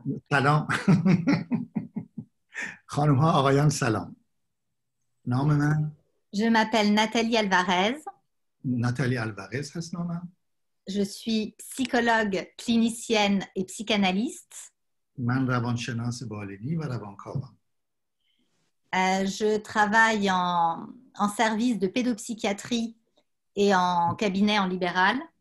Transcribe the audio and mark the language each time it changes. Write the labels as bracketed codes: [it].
[fa] Salam. Khanouma Arayan Salam. [fr] Nom, je m'appelle Nathalie Alvarez. Natalia Alvarez à ce moment. Je suis psychologue, clinicienne et psychanalyste. [fa] من روانشناس بالینی و روانکاوم. [fr] Je travaille en service de pédopsychiatrie et en cabinet en libéral.